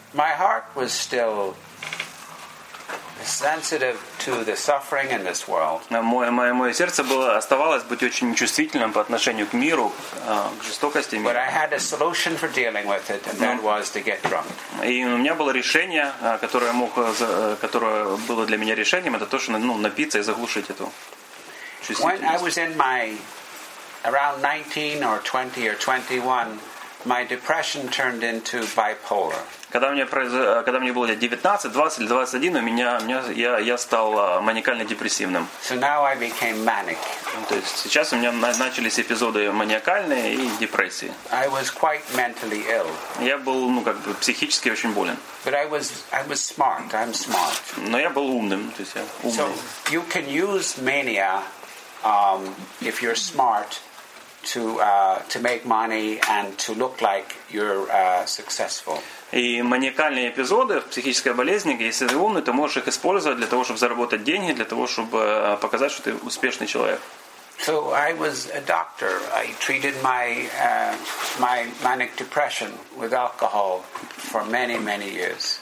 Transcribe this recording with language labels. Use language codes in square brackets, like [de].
[en] My heart was still sensitive to the suffering in this world. [ru] Мое сердце оставалось быть очень чувствительным по отношению к миру, к жестокости мира. [en] But I had a solution for dealing with it, and that was to get drunk. [ru] И у меня было решение, которое было для меня решением, это то, что напиться и заглушить эту чувствительность. [en] When I was in my around 19 or 20 or 21, my depression turned into bipolar. [ru] Когда мне было 19, 20 или 21, я стал маниакально депрессивным. [en] So now I became manic. [ru] То есть сейчас у меня начались эпизоды маниакальные и депрессии. [en] I was quite mentally ill. [ru] Я был, как бы психически очень болен. [en] But I was smart. I'm smart. [ru] Но я был умным, то есть я умный. [en] So you can use mania if you're smart to make money and to look like you're successful. [ru] И маниакальные эпизоды, психическая болезнь, если ты умный, ты можешь их использовать для того, чтобы заработать деньги, для того, чтобы показать, что ты успешный человек. [en] So I was a doctor. I treated my my manic depression with alcohol for many, many years.